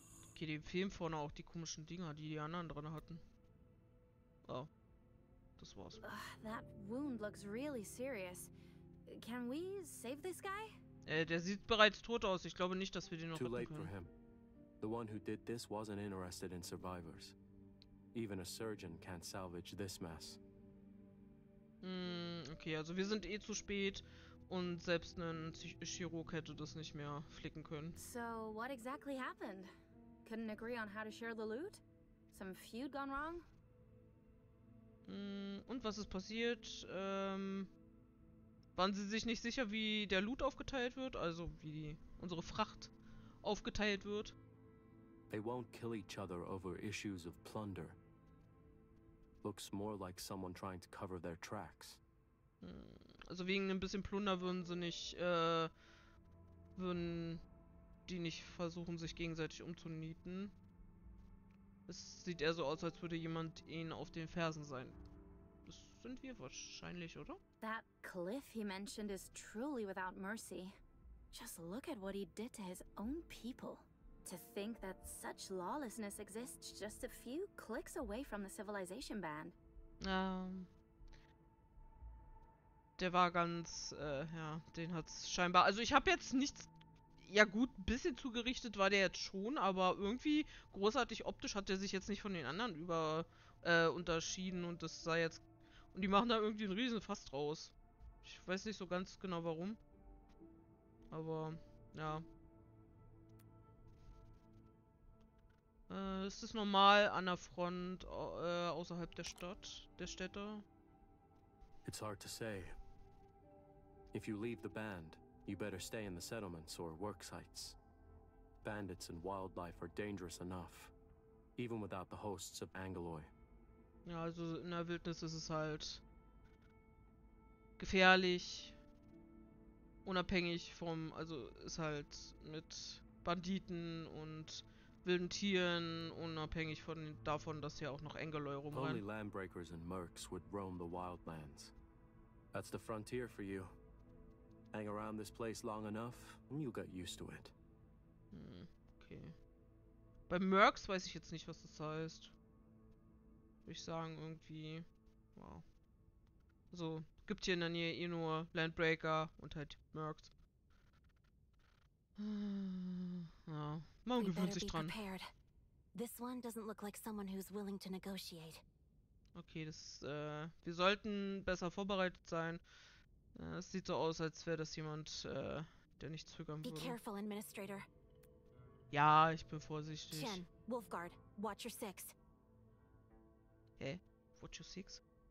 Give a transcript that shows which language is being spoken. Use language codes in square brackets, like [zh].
[de] Okay, dem fehlen vorne auch die komischen Dinger, die die anderen drin hatten. Oh. Das war's. [en] That wound looks really serious. Can we save this guy? [de] Der sieht bereits tot aus. Ich glaube nicht, dass wir den noch retten können. [en] For him. The one who did this wasn't interested in survivors. Even a surgeon can't salvage this mess. [de] Okay, also wir sind eh zu spät und selbst ein Chirurg hätte das nicht mehr flicken können. [en] So, what exactly happened? Couldn't agree on how to share the loot? Some feud gone wrong? [de] Und was ist passiert? Waren sie sich nicht sicher, wie der Loot aufgeteilt wird? Also, wie unsere Fracht aufgeteilt wird? [en] They won't kill each other over issues of plunder. Looks more like someone trying to cover their tracks. [de] Also, wegen ein bisschen Plunder würden sie nicht, würden die nicht versuchen, sich gegenseitig umzunieten. Es sieht eher so aus, als würde jemand ihnen auf den Fersen sein. Das sind wir wahrscheinlich, oder? [en] That Cliff he mentioned is truly without mercy. Just look at what he did to his own people. To think that such lawlessness exists just a few clicks away from the civilization band. [de] Der war ganz, ja, den hat's scheinbar... Also ich habe jetzt nichts... Ja gut, ein bisschen zugerichtet war der jetzt schon, aber irgendwie großartig optisch hat der sich jetzt nicht von den anderen über unterschieden und das sah jetzt... Und die machen da irgendwie einen riesen Fass draus. Ich weiß nicht so ganz genau warum. Aber, ja. Ist das normal an der Front außerhalb der Stadt, der Städte? [en] It's hard to say. If you leave the band, you better stay in the settlements or work sites. Bandits and wildlife are dangerous enough. Even without the hosts of Angeloy. [de] Ja, also in der Wildnis ist es halt gefährlich, unabhängig vom, also ist halt mit Banditen und wilden Tieren, unabhängig von davon, dass hier auch noch Angeloy rumrennen. [en] Only Landbreakers and Mercs would roam the wildlands. That's the frontier for you. Hang around this place long enough, and you'll get used to it. Okay. [de] Bei Mercs weiß ich jetzt nicht, was das heißt. Würde ich sagen, irgendwie. Wow. Also, gibt hier in der Nähe eh nur Landbreaker und halt Mercs. Ja. Man [en] We [de] gewöhnt sich dran. [en] This one doesn't look like someone who's willing to negotiate. [de] Okay, das. Wir sollten besser vorbereitet sein. Es sieht so aus, als wäre das jemand, der nicht zögern würde. [en] Be careful, Administrator. [de] Ja, ich bin vorsichtig. [en] Chen, Wolfguard, watch your six. Hä? Watch your six?